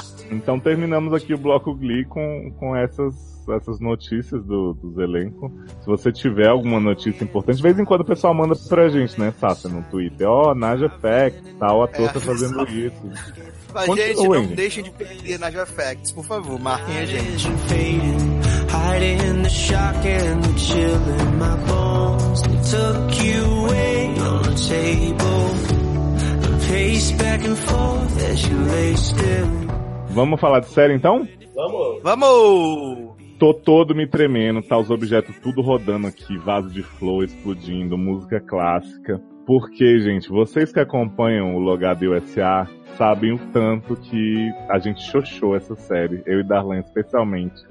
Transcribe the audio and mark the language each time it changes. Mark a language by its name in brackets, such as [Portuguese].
[Portuguese] Então terminamos aqui o Bloco Glee com essas notícias dos elencos. Se você tiver alguma notícia importante, de vez em quando o pessoal manda pra gente, né, Sasha, no Twitter. Ó, Naja Facts, tal, a tua tá fazendo isso. Mas, gente, não deixem de perder Naja Facts, por favor, marquem a gente. [English] Hiding in the shock and the chill in my bones. They took you away on the table. I paced back and forth as you lay still. [Portuguese] Vamos falar de série então? Vamos! Tô todo me tremendo, tá os objetos tudo rodando aqui, vaso de flow explodindo, música clássica. Porque, gente, vocês que acompanham o Logado e o S.A. sabem o tanto que a gente xoxou essa série, eu e Darlan especialmente.